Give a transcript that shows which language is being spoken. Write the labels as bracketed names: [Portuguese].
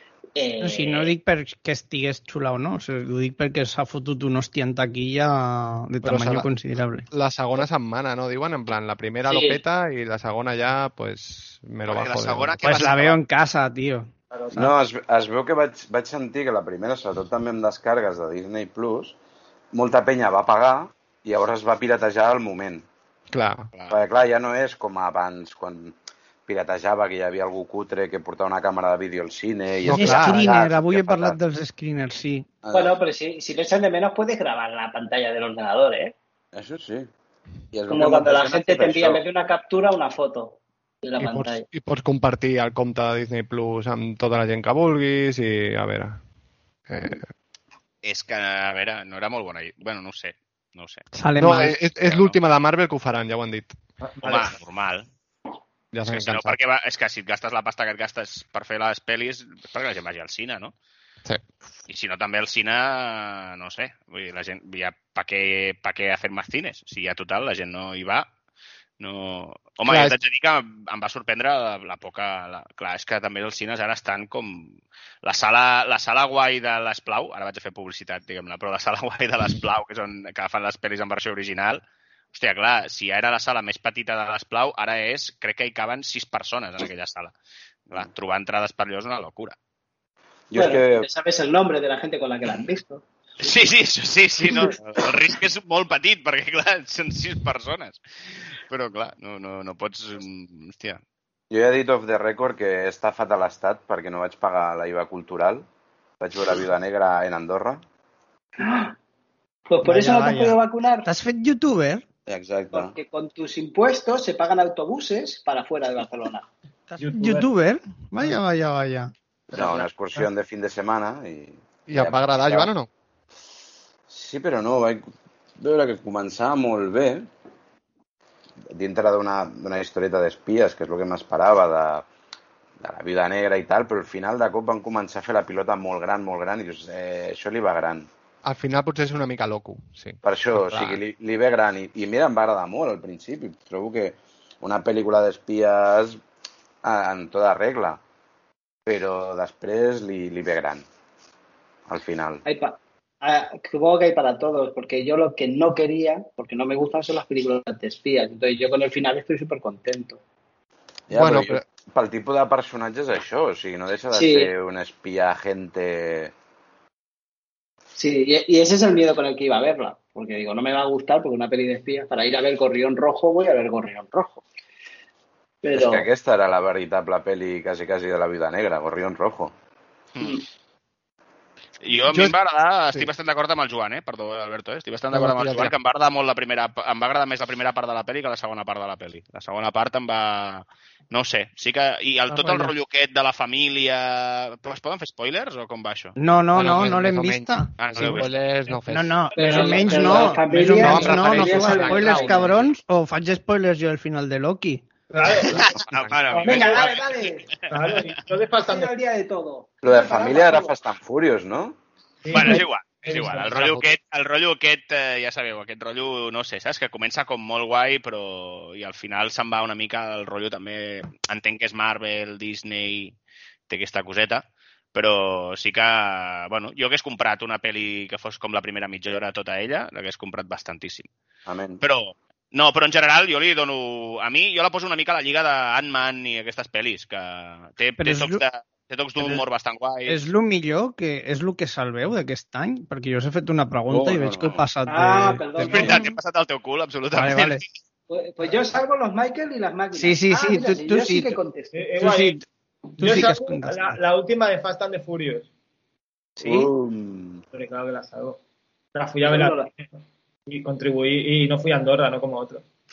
[Catalan] No dic perquè estigués xula o no, ho dic perquè s'ha fotut un hòstia en taquilla [Spanish] de tamaño considerable. [Catalan] La segona setmana, no? Diuen, en plan, la primera lo peta i la segona ja, pues, [Spanish] me lo bajo. Pues la veo en casa, tío. [Catalan] No, es veu que vaig sentir que la primera, sobretot també amb descargues de Disney Plus, molta penya va pagar i llavors es va piratejar al moment. Clar. Perquè clar, ja no és com abans, quan piratejava, que hi havia algú cutre que portava una càmera de vídeo al cine. I no, clar, screener, avui he parlat dels screeners, sí. [Spanish] Bueno, però si lo echan de menos, puedes grabar la pantalla del ordenador, ¿eh? [Catalan] Això sí. [Spanish] I es como cuando la gente te envía, en vez de una captura, una foto. [Catalan] I pots compartir el compte de Disney Plus amb tota la gent que vulguis i a veure. És que, a veure, no era molt bona. Bueno, no ho sé. Salem, no, és l'última de Marvel que ho faran, ja ho han dit. Home, normal. Ja és, que, si no, perquè va, és que si et gastes la pasta que et gastes per fer les pel·lis, perquè la gent vagi al cine, no? Sí. I si no, també al cine, no ho sé. Vull dir, la gent, ja, pa què fer més cines? Si ja total la gent no hi va... No. Home, clar, ja t'haig de dir que em va sorprendre la poca... Clar, és que també els cines ara estan com... La sala guai de l'Esplau, ara vaig a fer publicitat, diguem-ne, però la sala guai de l'Esplau, que és on agafen les pel·lis en versió original, hòstia, clar, si ja era la sala més petita de l'Esplau, ara és, crec que hi caben 6 persones en aquella sala. Clar, trobar entrades per allò és una locura. Jo bueno, que... [Spanish] sabes el nombre de la gente con la que l'han visto. [Catalan] Sí, no. El risc és molt petit, perquè, clar, són 6 persones. Però, clar, no pots... Hòstia. Jo ja he dit [English] off the record [Catalan] que he estafat a l'Estat perquè no vaig pagar la IVA cultural. Vaig veure Viuda Negra en Andorra. [Spanish] Pues por eso no te puedo vacunar. [Catalan] T'has fet youtuber? Exacte. [Spanish] Porque con tus impuestos se pagan autobuses para fuera de Barcelona. ¿Youtuber? Vaya. [Catalan] No, una excursió de [Spanish] fin de semana. [Catalan] I et va agradar, Joan, o no? Sí, però no, vaig veure que començava molt bé dintre d'una historieta d'espies, que és el que m'esperava de la Viuda Negra i tal, però al final de cop van començar a fer la pilota molt gran i dius, això li va gran. Al final potser és una mica loco, sí. Per això, o sigui, li ve gran i mira, em va agradar molt al principi. Trobo que una pel·lícula d'espies en tota regla, però després li ve gran al final. Ai, pa. [Spanish] Supongo que hay para todos, porque yo lo que no quería, porque no me gustan, son las películas de espías. Entonces yo con el final estoy súper contento. Ya, bueno, pero... para el tipo de personajes es eso, o sea, no deja de ser un espía agente. Sí, y ese es el miedo con el que iba a verla, porque digo, no me va a gustar, porque una peli de espías, para ir a ver Gorrión Rojo, voy a ver Gorrión Rojo. [Catalan] Però... És que aquesta era la veritable peli quasi, quasi de la Viuda Negra, Gorrión Rojo. Mm. Jo, a mi em va agradar, estic bastant d'acord amb el Joan, perdó, Alberto, estic bastant d'acord amb el Joan, que em va agradar molt la primera, em va agradar més la primera part de la peli que la segona part de la peli. La segona part em va... No sé, sí que... I el, tot el rotllo aquest de la família... Es poden fer spoilers o com va això? No, no, bueno, no, no l'hem vista. Ah, no, sí, no, spoilers no fes. No, no, però no, almenys no. Família, no, no, no, no fes spoilers, cabrons, o faig spoilers jo al final de Loki. [Spanish] Vale. Venga, dale, dale. Lo de Fast and Furious. [Catalan] Lo de família era Fast and Furious, no? Bueno, és igual. És igual, el rotllo aquest, ja sabeu, aquest rotllo, no sé, saps, que comença com molt guai, però... I al final se'n va una mica el rotllo també... Entenc que és Marvel, Disney, té aquesta coseta, però sí que... Bueno, jo hagués comprat una peli que fos com la primera mitja hora tota ella, l'hagués comprat bastantíssim. Amén. Però... No, però en general jo li dono... A mi, jo la poso una mica a la lliga d'Ant-Man i aquestes pel·lis, que té, té tocs de... Té tocs d'humor bastant guai. És el millor que... És el que salveu d'aquest any? Perquè jo us he fet una pregunta i veig que he passat de... És veritat, he passat el teu cul, absolutament. Vale, vale. [Spanish] Pues yo salvo los Michael y las máquinas. [Catalan] Sí, sí, sí. Ah, mira, tu, tu [Spanish] yo sí que contesto. [Catalan] Tu sí. Tu sí que has contestat. La última de Fast and the Furious. Sí? [Spanish] Pero claro que la salvo. La fui a ver a... Y contribuí... Y no fui a Andorra, no como otro.